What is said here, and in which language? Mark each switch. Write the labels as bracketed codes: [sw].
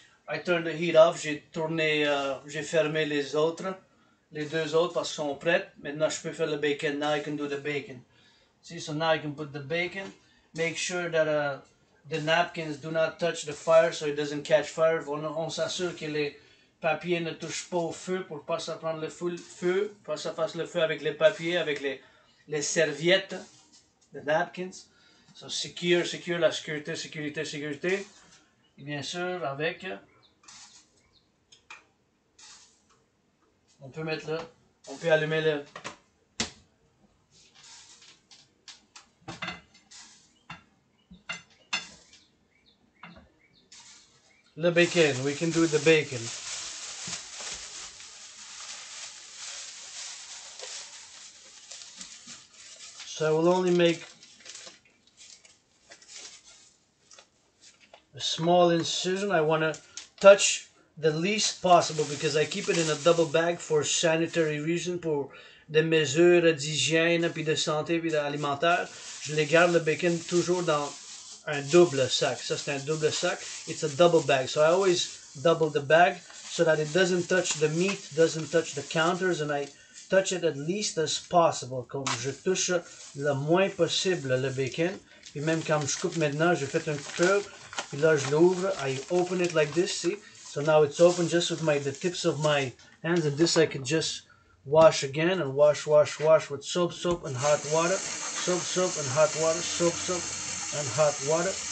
[en] I turned the heat off, [fr] j'ai fermé les deux autres parce qu'ils sont prêtes. Maintenant je peux faire le bacon, [en] now I can do the bacon. See, so now I can put the bacon. Make sure that the napkins do not touch the fire so it doesn't catch fire. [fr] On s'assure que les papiers ne touchent pas au feu pour pas ça prendre le feu. Pas ça fasse le feu avec les papiers, avec les serviettes, the napkins. [en] So secure, secure, [fr] la sécurité, sécurité, sécurité. Et bien sûr, avec, on peut mettre là, on peut allumer le. Le bacon, [en] we can do the bacon. So I will only make a small incision. I want to touch the least possible because I keep it in a double bag for sanitary reason, [fr] pour des mesures d'hygiène puis de santé puis d'alimentaire. Je les garde le bacon toujours dans un double sac. Ça c'est un double sac. [en] It's a double bag, so I always double the bag so that it doesn't touch the meat, doesn't touch the counters, and I touch it at least as possible. [fr] Comme je touche le moins possible le bacon. Puis même quand je coupe maintenant, j'ai fait un coupeur. Puis là, je l'ouvre. [en] I open it like this, see? So now it's open just with the tips of my hands. And this I can just wash again and wash, wash, wash with soap, soap and hot water. Soap, soap and hot water. Soap, soap and hot water.